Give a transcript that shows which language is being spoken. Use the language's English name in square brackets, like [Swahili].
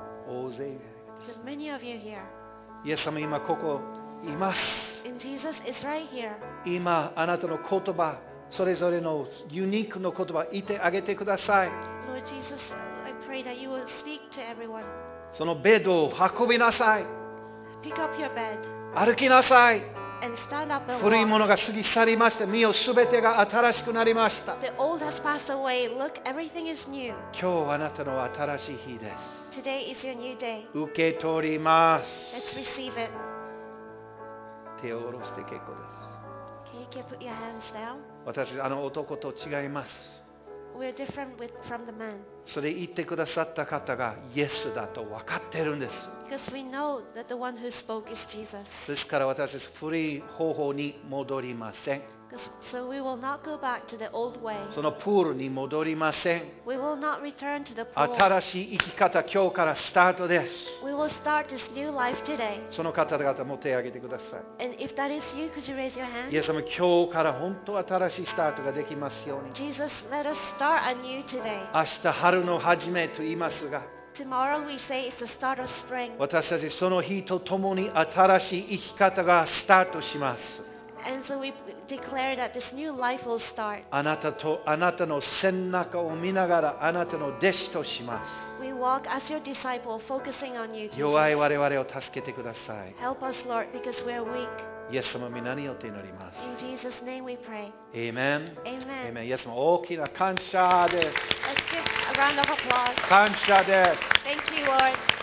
[Japanese] 大勢。 [English] There's many of you here. [Japanese] イエス様今ここいます。 [English] in Jesus is right here. [Japanese] 今あなたの言葉、それぞれのユニークの言葉言ってあげてください。 [English] Lord Jesus, I pray that you will speak to everyone. [Japanese] そのベッドを運びなさい。 [English] Pick up your bed. [Japanese] 歩きなさい。 [English] And stand up and walk. [Japanese] 古いものが過ぎ去りました。見よ、すべてが新しくなりました。 [English] The old has passed away. Look, everything is new. [Japanese] 今日あなたの新しい日です。 [English] Today is your new day. [Japanese] 受け取ります。 [English] Let's receive it. [Japanese] 手を下ろして結構です。 [English] Can you put your hands down? [Japanese] 私あの男と違います。 [English] We're different with, from the man. [Japanese] それ言ってくださった方がイエスだと分かってるんです。 [English] Because we know that the one who spoke is Jesus. [Japanese] ですから私は古い方法に戻りません。 [English] So we will not go back to the old way. [Japanese] そのプールに戻りません。 [English] We will not return to the pool. [Japanese] 新しい生き方、今日からスタートです。 [English] We will start this new life today. [Japanese] その方々も手を挙げてください。 [English] And if that is you, could you raise your hand? [Japanese] イエス様、今日から本当新しいスタートができますように。 [English] Jesus, let us start anew today. [Japanese] 明日春の始めと言いますが、 [English] Tomorrow we say it's the start of spring. [Japanese] 私たちその日とともに新しい生き方がスタートします。 [English] And so we declare that this new life will start. [Japanese] あなたとあなたの背中を見ながらあなたの弟子とします。 [English] We walk as your disciple, focusing on you, Jesus. [Japanese] 弱い我々を助けてください。 [English] Help us, Lord, because we are weak. [Japanese] イエス様、皆によって祈ります。 [English] In Jesus' name we pray. Amen. Amen. [Japanese] Amen. イエス様、大きな感謝です。 [English] Let's give a round of applause. [Japanese] 感謝です。 [English] Thank you, Lord.